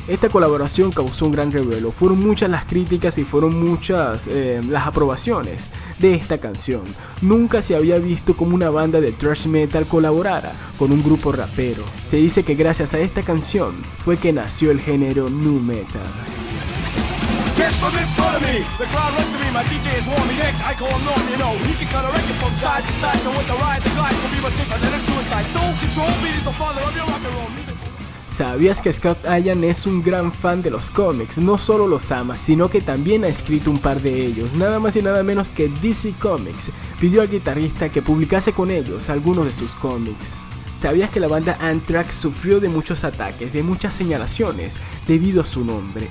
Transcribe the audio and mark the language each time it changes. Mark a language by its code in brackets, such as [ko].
[es] Esta colaboración causó un gran revuelo. Fueron muchas las críticas y fueron muchas las aprobaciones de esta canción. Nunca se había visto como una banda de thrash metal colaborara con un grupo rapero. Se dice que gracias a esta canción fue que nació el género nu metal. [en] Get from in front of me, the crowd runs to me, my DJ is warm, he's X, I call him Norm, you know, he can cut a record from side to side, so with the ride, the glide, so be much safer than a suicide, soul control, beat is the father of your rock and roll music. [es] ¿Sabías que Scott Ian es un gran fan de los cómics? No solo los ama, sino que también ha escrito un par de ellos. Nada más y nada menos que DC Comics pidió al guitarrista que publicase con ellos algunos de sus cómics. ¿Sabías que la banda Anthrax sufrió de muchos ataques, de muchas señalaciones, debido a su nombre?